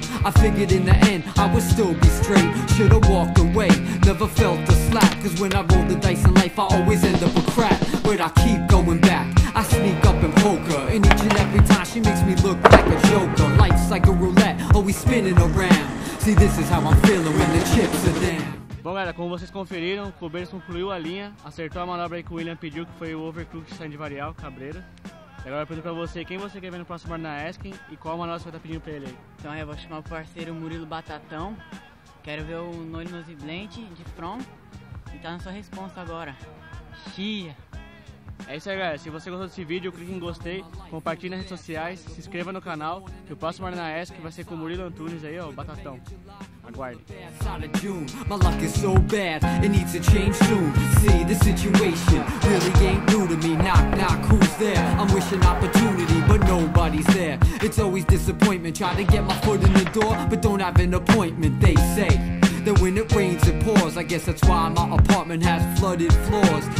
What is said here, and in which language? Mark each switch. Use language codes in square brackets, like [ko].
[en] I figured in the end, I would still be straight. Should've walked away, never felt the slack. Cause when I roll the dice in life, I always end up a crap. But I keep going back, I sneak up and poke her. And each and every time, she makes me look like a joker. Life's like a roulette, always spinning around. See, this is how I'm feeling when the chips are down. [pt] Bom, galera, como vocês conferiram, o Cuberos concluiu a linha. Acertou a manobra aí que o William pediu, que foi o overcooked stand varial, Cabreira. Agora eu pergunto pra você, quem você quer ver no próximo Arena Asking e qual manobra você vai estar pedindo pra ele aí? Então eu vou chamar o parceiro Murilo Batatão. Quero ver o Noli Nose Blend de front. E tá na sua resposta agora. Xia! É isso aí, galera. Se você gostou desse vídeo, clique em gostei, compartilhe nas redes sociais, se inscreva no canal, que o próximo Arena Asking vai ser com o Murilo Antunes aí, ó, o Batatão. Aguarde! [en] My luck is so bad, it needs to change soon. See, the situation really ain't new to me. Knock, knock, who's there? I'm wishing opportunity, but nobody's there. It's always disappointment, try to get my foot in the door, but don't have an appointment, they say. That when it rains, it pours. I guess that's why my apartment has flooded floors.